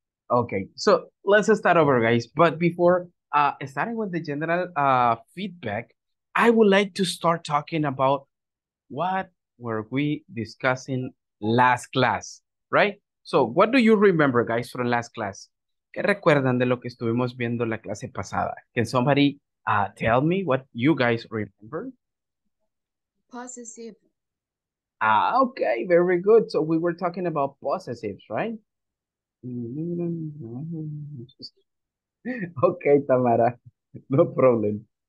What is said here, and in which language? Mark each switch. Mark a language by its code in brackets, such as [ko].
[en] Okay, so let's start over, guys. But before starting with the general feedback, I would like to start talking about what were we discussing last class, right? So, what do you remember, guys, from last class? [es] ¿Qué recuerdan de lo que estuvimos viendo la clase pasada? [en] Can somebody tell me what you guys remember? Positive. Ah, okay, very good. So, we were talking about possessives, right? Okay, Tamara, no problem.